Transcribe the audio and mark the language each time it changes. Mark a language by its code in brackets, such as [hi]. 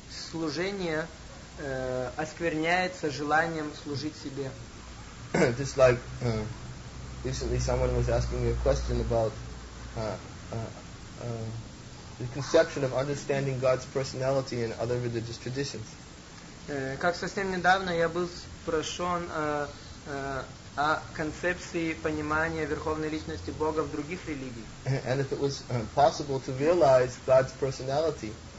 [ru] Служение оскверняется желанием служить себе. [en] Just like recently someone was asking me a question about the conception of understanding God's personality in other religious traditions. [ru] Как совсем недавно я был спрошен о концепции понимания Верховной Личности Бога в других религиях. [en] And if it was possible to realize God's personality.